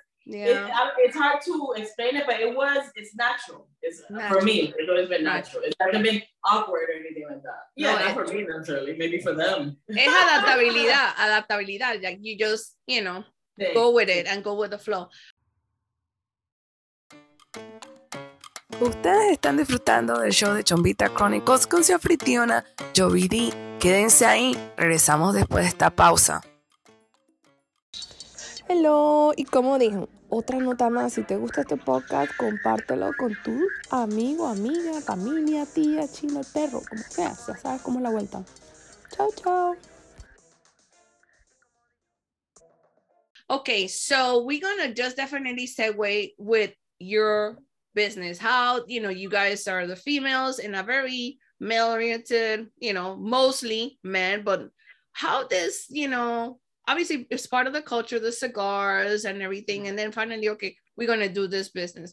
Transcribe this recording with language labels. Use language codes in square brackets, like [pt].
[en] It's hard to explain it, but it's natural. It's natural. For me, it's always been natural. It hasn't been awkward or anything like that. Yeah, not for me, necessarily. Maybe for them. [es] Es adaptabilidad. [en] Like you just, you know, go with it and go with the flow. [es] Ustedes están disfrutando del show de Chombita Chronicles con su anfitriona, Joby D. Quédense ahí, regresamos después de esta pausa. Hello, y como dije, otra nota más, si te gusta este podcast, compártelo con tu amigo, amiga, familia, tía, chino, perro, como sea, ya sabes cómo es la vuelta. Chao, chao. [en] Okay, so we're gonna just definitely segue with your business, how, you know, you guys are the females in a very male-oriented, you know, mostly men, but how this, you know, obviously it's part of the culture, the cigars and everything, and then finally, okay, we're going to do this business.